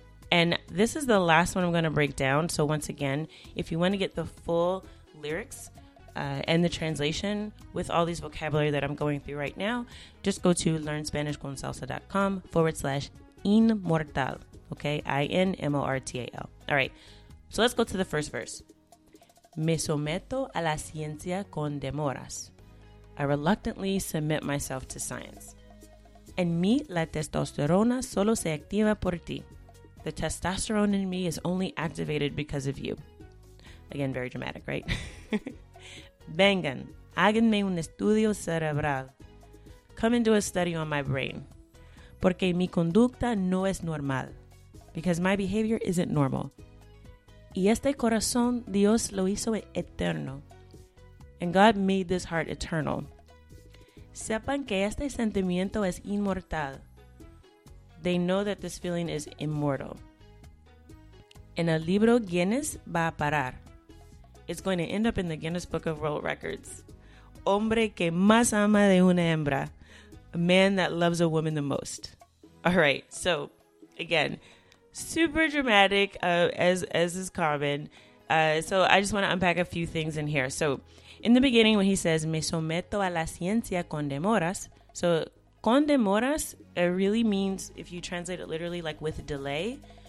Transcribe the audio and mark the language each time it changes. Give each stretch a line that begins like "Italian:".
English: And this is the last one I'm going to break down. So once again, if you want to get the full lyrics and the translation with all these vocabulary that I'm going through right now, just go to learnspanishconsalsa.com/inmortal. Okay, I-N-M-O-R-T-A-L. All right, so let's go to the first verse.
Spanish: Me someto a la ciencia con demoras.
English: I reluctantly submit myself to science.
Spanish: En mí la testosterona solo se activa por ti.
English: The testosterone in me is only activated because of you. Again, very dramatic, right?
Spanish: Vengan, háganme un estudio cerebral.
English: Come and do a study on my brain.
Spanish: Porque mi conducta no es normal.
English: Because my behavior isn't normal.
Spanish: Y este corazón Dios lo hizo eterno.
English: And God made this heart eternal.
Spanish: Sepan que este sentimiento es inmortal.
English: They know that this feeling is immortal.
Spanish: En el libro Guinness va a parar.
English: It's going to end up in the Guinness Book of World Records.
Spanish: Hombre que más ama de una hembra.
English: A man that loves a woman the most. All right, so again, super dramatic, as is common. So I just want to unpack a few things in here. So in the beginning, when he says,
Spanish: me someto a la ciencia con demoras.
English: So
Spanish: con demoras,
English: it really means, if you translate it literally, like with delay.